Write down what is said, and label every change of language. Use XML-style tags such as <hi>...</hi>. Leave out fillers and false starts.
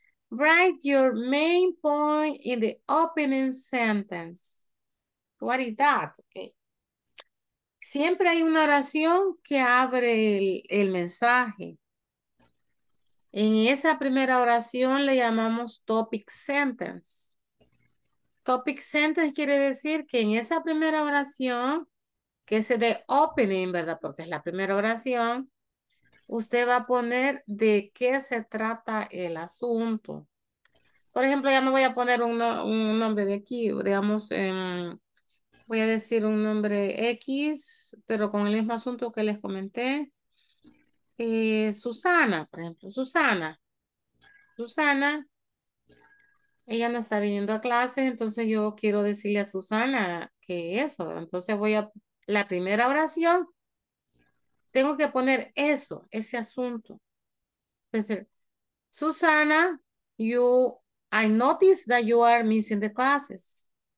<en>Write your main point in the opening sentence. What is that? Okay.</en> <es>Siempre hay una oración que abre el mensaje. En esa primera oración le llamamos topic sentence. Topic sentence quiere decir que en esa primera oración, que es de opening, ¿verdad? Porque es la primera oración, usted va a poner de qué se trata el asunto. Por ejemplo, ya no voy a poner un nombre de aquí, digamos, voy a decir un nombre X, pero con el mismo asunto que les comenté. Susana, por ejemplo, Susana, ella no está viniendo a clases, entonces yo quiero decirle a Susana que eso, entonces voy a la primera oración, tengo que poner eso, ese asunto.</es> <en>Entonces, Susana, I noticed that you are missing the classes.</en>